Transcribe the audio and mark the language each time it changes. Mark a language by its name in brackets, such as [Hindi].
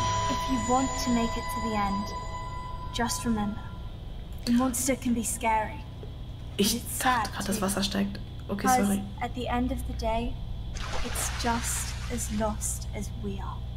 [English] If you want to make it to the end, just remember, the monster can be scary. [German] Ich dachte gerade, das Wasser steigt. [English] Okay, sorry. At the end of the day, it's just as lost as we are.